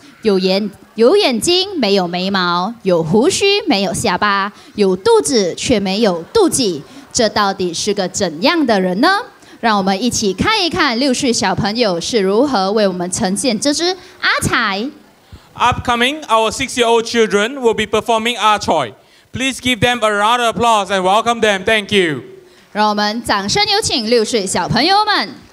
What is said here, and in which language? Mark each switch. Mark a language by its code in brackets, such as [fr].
[zh] 有眼睛没有眉毛，有胡须没有下巴，有肚子却没有肚脐，这到底是个怎样的人呢？让我们一起看一看六岁小朋友是如何为我们呈现这只阿柴。 [en] Upcoming, our six-year-old children will be performing Archoy. Please give them a round of applause and welcome them. Thank you. [zh] 让我们掌声有请六岁小朋友们。